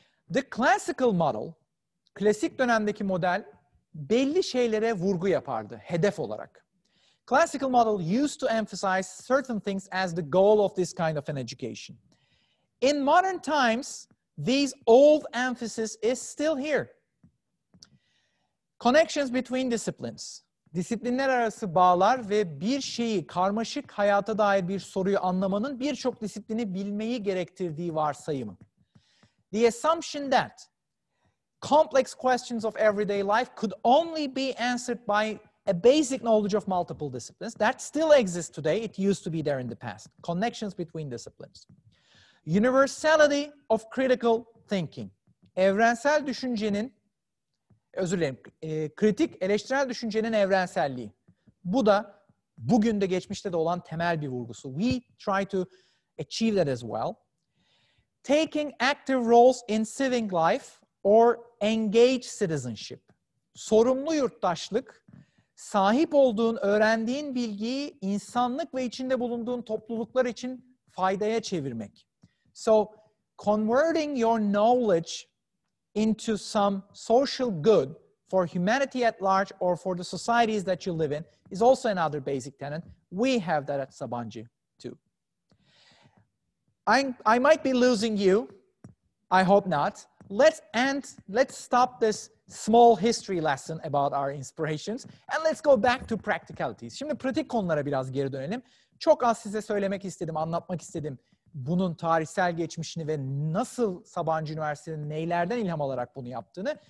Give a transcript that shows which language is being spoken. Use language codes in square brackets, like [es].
[en] The classical model, [tr] klasik dönemdeki model, belli şeylere vurgu yapardı, hedef olarak. [en] Classical model used to emphasize certain things as the goal of this kind of an education. In modern times, these old emphasis is still here. Connections between disciplines. [tr] Disiplinler arası bağlar ve bir şeyi, karmaşık hayata dair bir soruyu anlamanın birçok disiplini bilmeyi gerektirdiği varsayımı. [en] The assumption that complex questions of everyday life could only be answered by a basic knowledge of multiple disciplines. That still exists today. It used to be there in the past. Connections between disciplines. Universality of critical thinking. [tr] Evrensel düşüncenin, özür dilerim, kritik eleştirel düşüncenin evrenselliği. Bu da bugün de geçmişte de olan temel bir vurgusu. [en] We try to achieve that as well. Taking active roles in civic life or engaged citizenship. [tr] Sorumlu yurttaşlık, sahip olduğun, öğrendiğin bilgiyi insanlık ve içinde bulunduğun topluluklar için faydaya çevirmek. [en] So, converting your knowledge into some social good for humanity at large or for the societies that you live in is also another basic tenet. We have that at Sabancı too. I might be losing you. I hope not. Let's stop this small history lesson about our inspirations and let's go back to practicalities. [tr] Şimdi pratik konulara biraz geri dönelim. Çok az size söylemek istedim, anlatmak istedim. Bunun tarihsel geçmişini ve nasıl Sabancı Üniversitesi'nin neylerden ilham alarak bunu yaptığını.